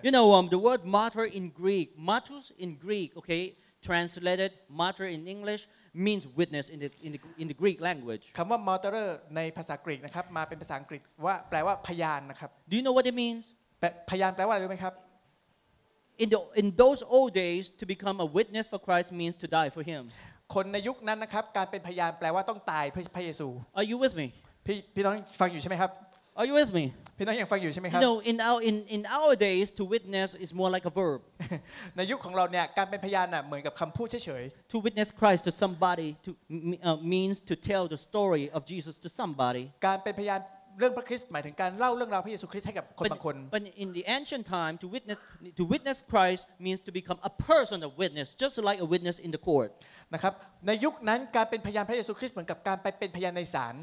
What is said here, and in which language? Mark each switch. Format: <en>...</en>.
<en>you know the word martyr in Greek martus in Greek okay translated martyr in Englishmeans witness in the Greek language</en> <th>คําว่า martyr ในภาษากรีกนะครับมาเป็นภาษาอังกฤษว่าแปลว่าพยานนะครับ</th> <en>Do you know what it means</en> <th>พยานแปลว่าอะไรรู้มั้ยครับ</th> <en>In those old days to become a witness for Christ means to die for him</en> <th>คนในยุคนั้นนะครับการเป็นพยานแปลว่าต้องตายเพื่อพระเยซู</th> <en>Are you with me</en> <th>พี่น้องฟังอยู่ใช่มั้ยครับ</th> <en>Are you with me</en> <th>พี่น้องยังฟังอยู่ใช่มั้ยครับ</th> <en>No in our days to witness is more like a verb</en> <th>ในยุคของเราเนี่ยการเป็นพยานน่ะเหมือนกับคําพูดเฉย</th> <en>ๆ To witness Christ to somebody to means to tell the story of Jesus to somebody</en> <th>การเป็นพยานเรื่องพระคริสต์หมายถึงการเล่าเรื่องราวพระเยซูคริสต์ให้กับคนบางคน</th> <en>But in the ancient time to witness Christ means to become a person of witness just like a witness in the court</en> <th>นะครับในยุคนั้นการเป็นพยานพระเยซูคริสต์เหมือนกับการไปเป็นพยานในศาล</th>